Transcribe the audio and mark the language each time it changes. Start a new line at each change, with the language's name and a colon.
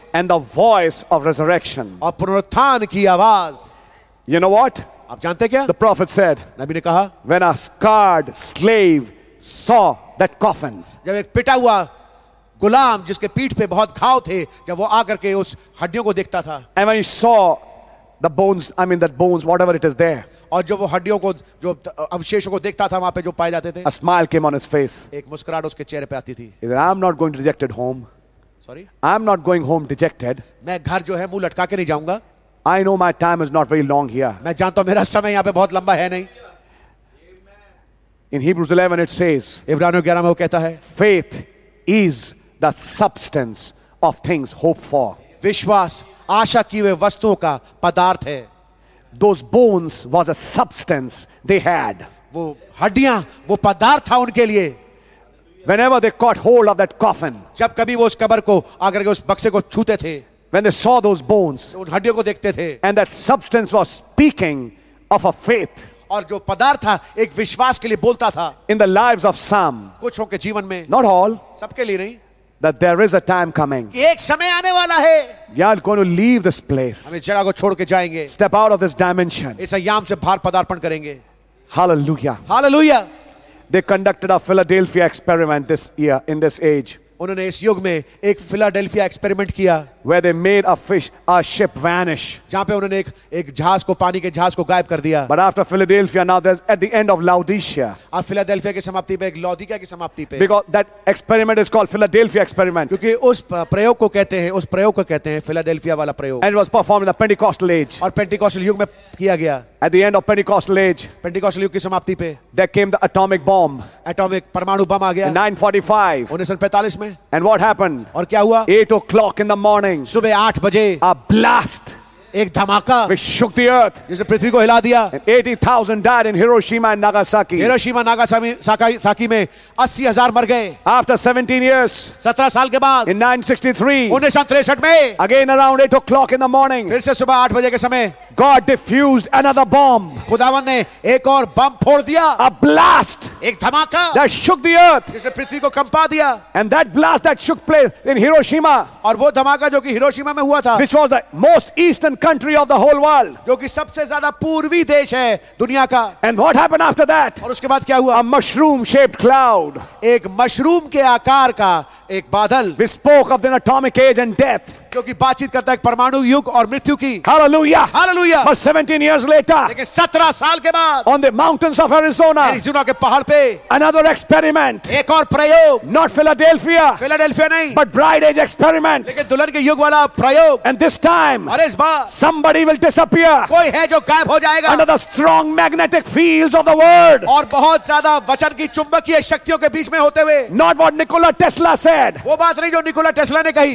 English: And the voice of resurrection.
Hindi: और पुनरुत्थान की आवाज.
English: You know what?
Hindi: आप जानते क्या?
English: The prophet said.
Hindi: नबी ने कहा.
English: When a scarred slave saw that coffin.
Hindi: जब एक पिटा हुआ गुलाम जिसके पीठ पे बहुत घाव थे जब वो आकर के उस हड्डियों को देखता था.
English: And when he saw the bones, I mean that bones, whatever it is there.
Hindi: और जब वो हड्डियों को जो अवशेषों को देखता था वहां पे जो पाए जाते थे.
English: A smile came on his face.
Hindi: एक मुस्कुराहट उसके चेहरे पे आती थी.
English: He said, I'm not going rejected home. Sorry? I'm not going home dejected.
Hindi: मैं घर जो है मुंह लटका के नहीं जाऊंगा.
English: I know my time is not very long here.
Hindi: मैं जानता हूं मेरा समय यहां पे बहुत लंबा है नहीं.
English: In Hebrews 11 it says.
Hindi: इब्रानियों 11 में वो कहता है.
English: Faith is the substance of things hoped for.
Hindi: विश्वास आशा की वे वस्तुओं का पदार्थ है.
English: Those bones was a substance they had.
Hindi: वो हड्डियां वो पदार्थ था उनके लिए.
English: Whenever they caught hold of that coffin.
Hindi: जब कभी वो उस कब्र को आकर के उस बक्से को छूते थे.
English: When they saw those bones.
Hindi: उन हड्डियों को देखते थे.
English: And that substance was speaking of a faith.
Hindi: और जो पदार्थ था एक विश्वास के लिए बोलता था.
English: In the lives of some.
Hindi: कुछ के जीवन में.
English: Not all.
Hindi: सबके लिए नहीं.
English: That there is a time coming.
Hindi: एक समय आने वाला है.
English: We are going to leave this place.
Hindi: हम इस जगह को छोड़ के जाएंगे.
English: Step out of this dimension.
Hindi: इस आयाम से बाहर पदार्पण करेंगे.
English: Hallelujah. Hallelujah. They conducted a Philadelphia experiment this year in this age.
Hindi: उन्होंने इस युग में एक फिलाडेल्फिया एक्सपेरिमेंट किया.
English: Where they made a fish, a ship vanish.
Hindi: जहाँ पे उन्होंने एक जहाज को पानी के जहाज को गायब कर दिया.
English: But after Philadelphia, now there's at the end of Laodicea.
Hindi: अब फिलाडेल्फिया की समाप्ति पे एक लौदिकिया की समाप्ति पे.
English: Because that experiment is called Philadelphia experiment.
Hindi: क्योंकि उस प्रयोग को कहते हैं फिलाडेल्फिया वाला प्रयोग.
English: And it was performed in the Pentecostal age.
Hindi: और पेंटिकॉस्टल युग में किया गया.
English: At the end of Pentecostal age.
Hindi: Pentecostal युग की समाप्ति पे.
English: There came the atomic bomb.
Hindi: Atomic परमाणु बम आ गया.
English: 1945.
Hindi: 1945 में.
English: And what happened?
Hindi: और क्या हुआ?
English: 8 o'clock in the morning.
Hindi: सुबह 8 बजे
English: a blast,
Hindi: एक धमाका,
English: which shook the earth,
Hindi: जिसे पृथ्वी को हिला दिया.
English: 80,000 died in Hiroshima and Nagasaki.
Hindi: Hiroshima Nagasaki में 80,000 मर गए.
English: After 17 years,
Hindi: 17 साल के बाद,
English: in 1963,
Hindi: 1963 में,
English: again around 8 o'clock in the morning,
Hindi: फिर से सुबह 8 बजे के समय,
English: God diffused another bomb.
Hindi: खुदावन ने एक और बम फोड़ दिया.
English: A blast,
Hindi: एक धमाका,
English: that shook the earth,
Hindi: जिसे पृथ्वी को कंपा दिया.
English: And that blast that shook place in Hiroshima,
Hindi: और वो धमाका जो कि हिरोशिमा में हुआ था,
English: which was the most eastern country of the whole world,
Hindi: जो कि सबसे ज़्यादा पूर्वी देश है दुनिया का.
English: And what happened after that?
Hindi: और उसके बाद क्या हुआ?
English: A mushroom shaped cloud,
Hindi: एक मशरूम के आकार का एक बादल,
English: which spoke of the atomic age and death.
Hindi: क्योंकि बातचीत करता है परमाणु युग और मृत्यु की.
English: Hallelujah. Hallelujah. But 17 years later,
Hindi: लेकिन 17 साल के बाद,
English: on the mountains of Arizona,
Hindi: Arizona के पहाड़ पे,
English: another experiment,
Hindi: एक और प्रयोग,
English: not Philadelphia,
Hindi: Philadelphia नहीं,
English: but bride age experiment,
Hindi: लेकिन दुल्हन के युग वाला प्रयोग.
English: And this time,
Hindi: अरे इस बार,
English: somebody will disappear,
Hindi: कोई है जो गायब हो जाएगा,
English: under the strong magnetic fields of the word,
Hindi: और बहुत ज्यादा वचन की चुंबकीय शक्तियों के बीच में होते हुए.
English: Not what Nikola Tesla said,
Hindi: वो बात नहीं जो निकोला टेस्ला ने कही,